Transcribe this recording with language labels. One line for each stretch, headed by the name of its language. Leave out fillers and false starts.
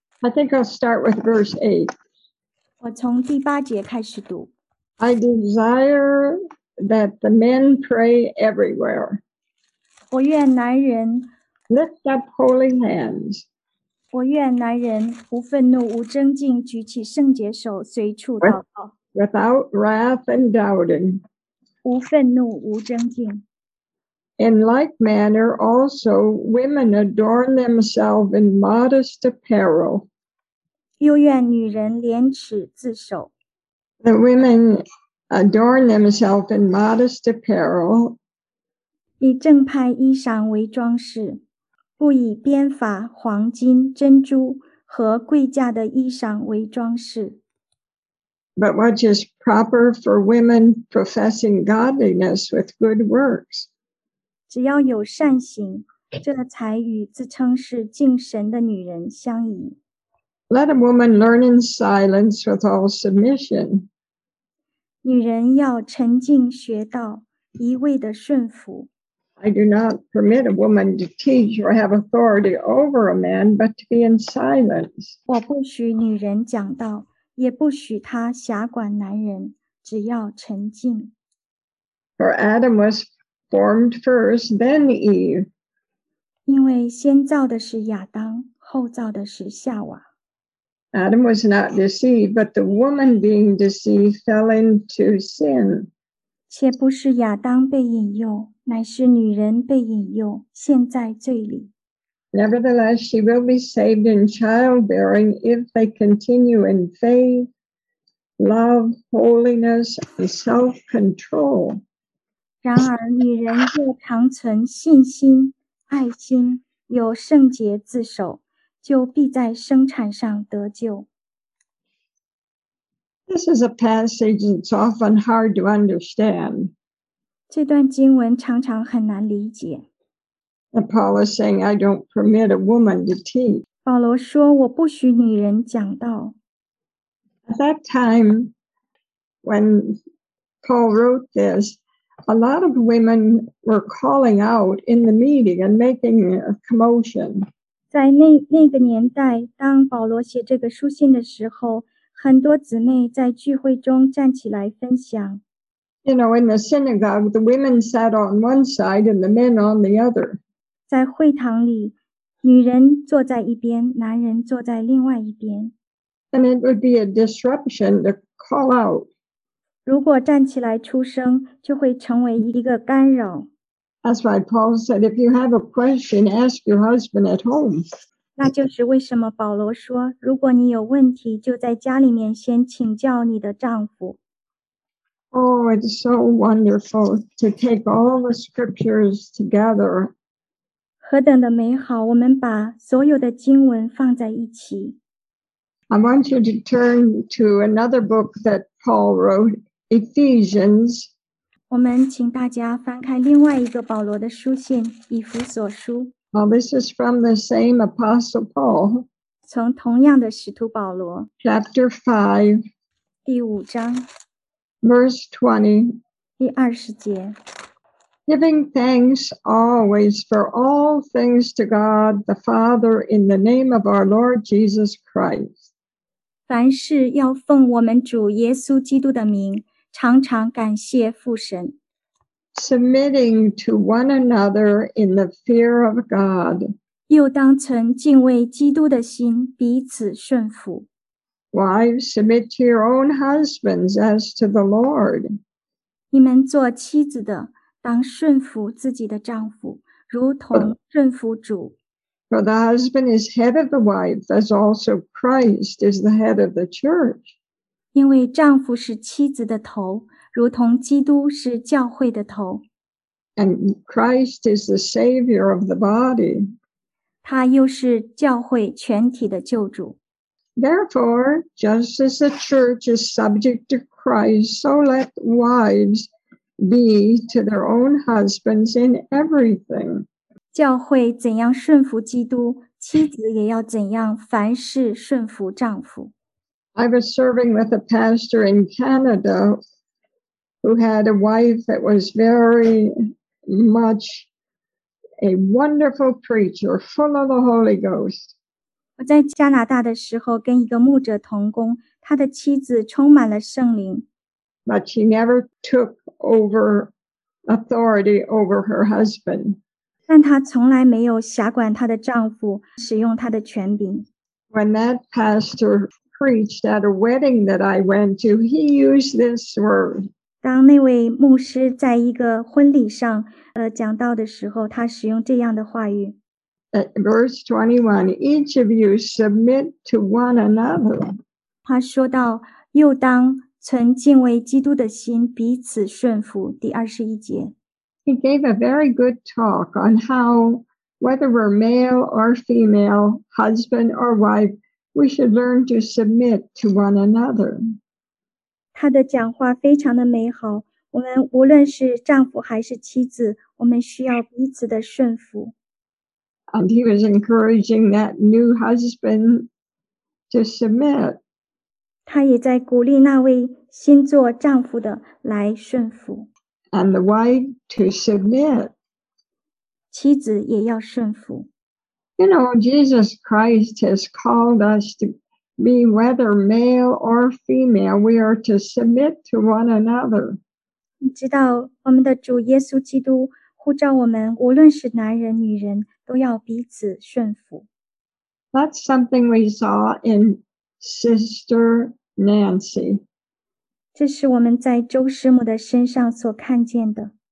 English: I think I'll start with verse 8.
Chinese: 我从第八节开始读。
English: I desire that the men pray everywhere.
Chinese: 我愿男人
English: lift up holy hands.
Chinese: 我愿男人无愤怒无争竞举起圣洁手随处祷告
English: without wrath and doubting
Chinese: 无愤怒无争竞
English: in like manner also women adorn themselves in modest apparel
Chinese: 又愿女人廉耻自守
English: the women adorn themselves in modest apparel
Chinese: 以正派衣裳为装饰不以鞭法、黄金、珍珠和贵价的衣裳为装饰。
English: But what is proper for women professing godliness with good works?
Chinese: 只要有善行，这才与自称是敬神的女人相宜。
English: Let a woman learn in silence with all submission.
Chinese: 女人要沉静学道，一味的顺服。
English: I do not permit a woman to teach or have authority over a man, but to be in silence.
Chinese: 我不许女人讲道，也不许她辖管男人，只要沉静。
English: For Adam was formed first, then Eve.
Chinese: 因为先造的是亚当，后造的是夏娃。
English: Adam was not deceived, but the woman being deceived fell into sin.
Chinese: 且不是亚当被引诱。乃是女人被引诱，陷在罪里。
English: Nevertheless, she will be saved in childbearing if they continue in faith, love, holiness, and self-control.
Chinese: 然而，女人若长存信心、爱心，有圣洁自守，就必在生产上得救。
English: This is a passage that's often hard to understand.
Chinese: 这段经文常常很难理解。
English: Paul is saying, I don't permit a woman to teach.
Chinese: 保罗说我不许女人讲道。
English: At that time, when Paul wrote this, a lot of women were calling out in the meeting and making a commotion.
Chinese: 在那个年代，当保罗写这个书信的时候，很多姊妹在聚会中站起来分享。
English: You know, in the synagogue, the women sat on one side and the men on the other.
Chinese: 在会堂里，女人坐在一边，男人坐在另外一边。
English: And it would be a disruption to call out.
Chinese: 如果站起来出声，就会成为一个干扰。
English: That's why Paul said, if you have a question, ask your husband at home.
Chinese: 那就是为什么保罗说，如果你有问题，就在家里面先请教你的丈夫。
English: Oh, it's so wonderful to take all the scriptures together.
Chinese: 何等的美好，我们把所有的经文放在一起。
English: I want you to turn to another book that Paul wrote, Ephesians.
Chinese: 我们请大家翻开另外一个保罗的书信，以弗所书。
English: Well, this is from the same Apostle Paul.
Chinese: 从同样的使徒保罗。
English: Chapter 5.
Chinese: 第五章。
English: Verse 20,
Chinese: 第二十节,
English: giving thanks always for all things to God the Father in the name of our Lord Jesus Christ.
Chinese: 凡事要奉我们主耶稣基督的名，常常感谢父神。
English: Submitting to one another in the fear of God.
Chinese: 又当存敬畏基督的心，彼此顺服。
English: Wives, submit to your own husbands as to the Lord.
Chinese: 你们做妻子的，当顺服自己的丈夫，如同顺服主。
English: For the husband is head of the wife, as also Christ is the head of the church.
Chinese: 因为丈夫是妻子的头，如同基督是教会的头。
English: And Christ is the Savior of the body.
Chinese: 他又是教会全体的救主。
English: Therefore, just as the church is subject to Christ, so let wives be to their own husbands in everything.
Chinese: 教会怎样顺服基督，妻子也要怎样凡事顺服丈夫。
English: I was serving with a pastor in Canada who had a wife that was very much a wonderful preacher, full of the Holy Ghost.
Chinese: 我在加拿大的时候跟一个牧者同工，他的妻子充满了圣灵。
English: But she never took over authority over her husband.
Chinese: 但她从来没有辖管她的丈夫，使用她的权柄。
English: When that pastor preached at a wedding that I went to, he used this word.
Chinese: 当那位牧师在一个婚礼上，讲道的时候，他使用这样的话语。
English: Verse 21, each of you submit to one another.
Chinese: 他说到，又当存敬畏基督的心，彼此顺服。第21节。
English: He gave a very good talk on how, whether we're male or female, husband or wife, we should learn to submit to one another.
Chinese: 他的讲话非常的美好，我们无论是丈夫还是妻子，我们需要彼此的顺服。
English: And he was encouraging that new husband to submit.
Chinese: 他也在鼓励那位新做丈夫的来顺服。
English: And the wife to submit.
Chinese: 妻子也要顺服。
English: You know, Jesus Christ has called us to be whether male or female, we are to submit to one another.
Chinese: 你知道我们的主耶稣基督呼召我们，无论是男人女人，都要彼此顺服。
English: That's something we saw in Sister Nancy.
Chinese: 这是我们在周师母的身上所看见的。